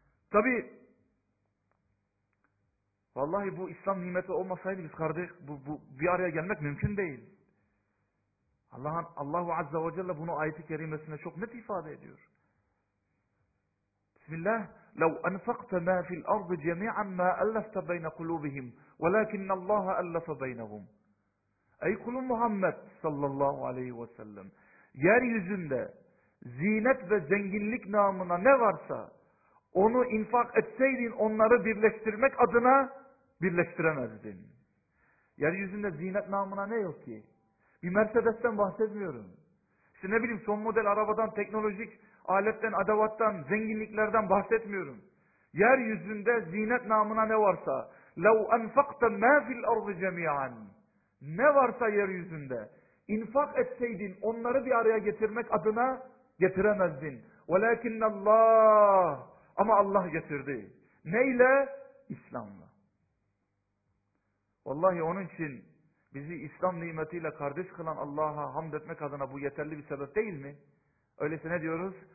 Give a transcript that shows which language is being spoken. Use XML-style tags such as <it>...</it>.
<tr>Tabi vallahi bu İslam nimeti olmasaydı biz kardeş bu bir araya gelmek mümkün değil. Allahu Azza ve Celle bunu ayeti kerimesinde çok net ifade ediyor. Bismillah.</tr> <ar>لو أنفقت ما في الأرض جميعا ما ألفت بين قلوبهم ولكن الله ألف بينهم.</ar> <tr>Ey kulum Muhammed sallallahu aleyhi ve sellem. Yeryüzünde zinet ve zenginlik namına ne varsa onu infak etseydin onları birleştirmek adına birleştiremezdin. Yeryüzünde zinet namına ne yok ki? Bir Mercedes'ten bahsetmiyorum. İşte ne bileyim son model arabadan, teknolojik aletten, adavattan, zenginliklerden bahsetmiyorum. Yeryüzünde zinet namına ne varsa</tr> <ar>لَوْ أَنْفَقْتَ مَا فِي الْأَرْضِ جَمِيعًا.</ar> <tr>Ne varsa yeryüzünde infak etseydin onları bir araya getirmek adına getiremezdin.</tr> <ar>وَلَكِنَّ اللّٰهِ</ar> <tr>Ama Allah getirdi. Neyle? İslam'la. Vallahi onun için bizi İslam nimetiyle kardeş kılan Allah'a hamd etmek adına bu yeterli bir sebep değil mi? Öyleyse ne diyoruz?</tr>